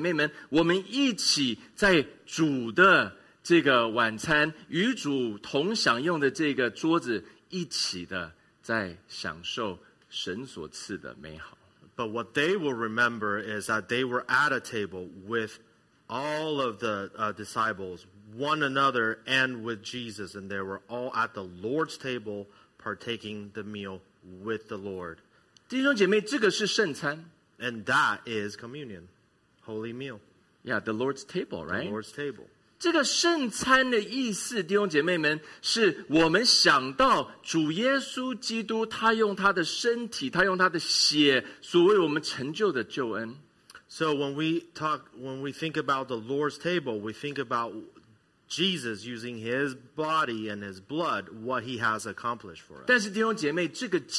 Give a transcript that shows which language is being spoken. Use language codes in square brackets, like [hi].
[zh] 我想到的是我与主的门徒,我所爱的弟兄姐妹们,我们一起在主的 这个晚餐与主同享用的这个桌子一起的在享受神所赐的美好。 [en] But what they will remember is that they were at a table with all of the disciples, one another, and with Jesus, and they were all at the Lord's table partaking the meal with the Lord. [zh] 弟兄姐妹,这个是圣餐。 [en] And that is communion, holy meal. Yeah, the Lord's table, right? The Lord's table. [zh] 这个圣餐的意思，弟兄姐妹们，是我们想到主耶稣基督，他用他的身体，他用他的血，所为我们成就的救恩。 [en] So when we think about the Lord's table, we think about Jesus using His body and His blood, what He has accomplished for us.